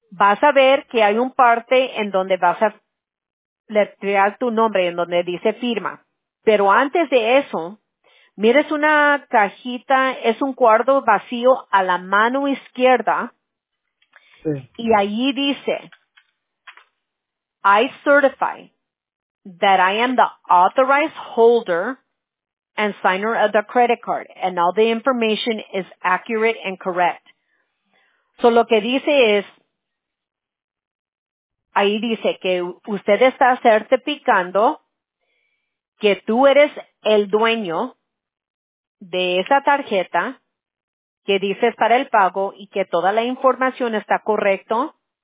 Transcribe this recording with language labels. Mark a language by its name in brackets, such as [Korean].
[Spanish] Vas a ver que hay un parte en donde vas a letrear tu nombre, en donde dice firma. Pero antes de eso, mires una cajita, es un cuarto vacío a la mano izquierda. Sí. Y allí dice, [English] I certify that I am the authorized holder and signer of the credit card, and all the information is accurate and correct. [Spanish] So lo que dice es, ahí dice que usted está certificando que tú eres el dueño de esa tarjeta que dices para el pago y que toda la información está correcto.